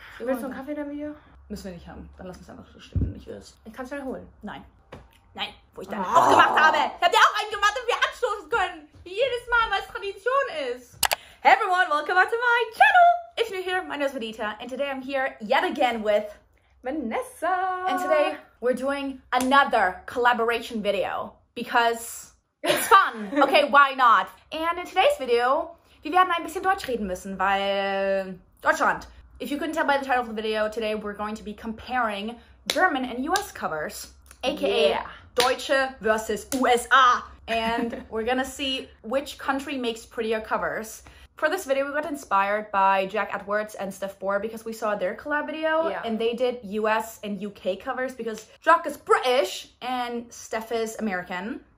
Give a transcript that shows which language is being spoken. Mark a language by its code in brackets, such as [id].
[de] Willst du einen Kaffee in deinem Video? Müssen wir nicht haben. Dann lass uns einfach so stehen, wenn ich will. Ich kann es schnell holen. Nein. Nein. Wo ich deine aufgemacht habe. Ich hab dir auch einen gemacht, damit wir anstoßen können. Jedes Mal, weil es Tradition ist. [en] Hey everyone, welcome back to my channel. If you're here, my name is Vedita. And today I'm here yet again with Vanessa. And today we're doing another collaboration video. Because it's fun. Okay, why not? And in today's video, [de] wir werden ein bisschen Deutsch reden müssen, weil Deutschland. [en] If you couldn't tell by the title of the video, today we're going to be comparing German and US covers, aka [de] Deutsche versus USA. [en] And we're gonna see which country makes prettier covers. For this video, we got inspired by Jack Edwards and Steph Bohr because we saw their collab video and they did US and UK covers because Jack is British and Steph is American.